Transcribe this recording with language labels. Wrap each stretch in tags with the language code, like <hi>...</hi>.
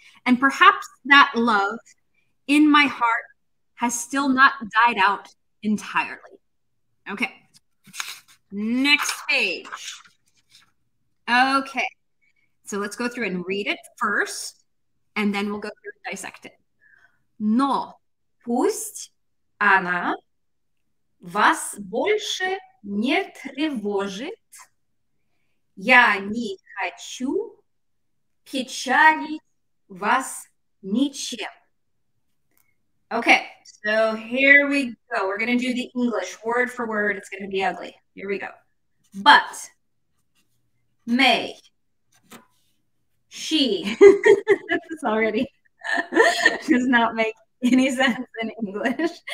<en>And perhaps that love in my heart has still not died out entirely. Okay, next page. Okay, so let's go through and read it first, and then we'll go through and dissect it.</en> <ru>Но пусть она вас больше не тревожит. Я не хочу печалить вас ничем.</ru> <en>Okay, so here we go. We're gonna do the English word for word. It's gonna be ugly. Here we go. But may she already does not make any sense in English.</en>